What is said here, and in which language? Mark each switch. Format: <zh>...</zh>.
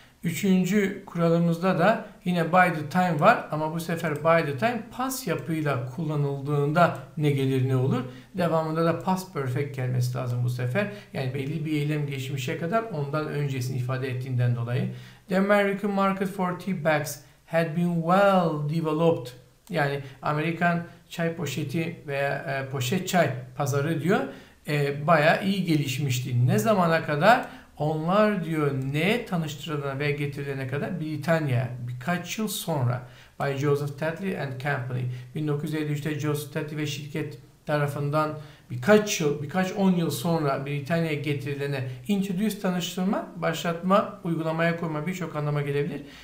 <tr>Üçüncü kuralımızda da yine by the time var ama bu sefer by the time past yapıyla kullanıldığında ne gelir ne olur? Devamında da past perfect gelmesi lazım bu sefer. Yani belli bir eylem geçmişe kadar ondan öncesini ifade ettiğinden dolayı.</tr> <en>The American market for tea bags had been well developed.</en> <tr>Yani Amerikan çay poşeti veya poşet çay pazarı diyor. Bayağı iyi gelişmişti. Ne zamana kadar? Onlar diyor neye tanıştırılana ve getirilene kadar Britanya birkaç yıl sonra by Joseph Tetley and Company 1953'te Joseph Tetley ve şirket tarafından birkaç yıl, birkaç 10 yıl sonra Britanya'ya getirilene introduce tanıştırma, başlatma, uygulamaya koyma birçok anlama gelebilir.</tr>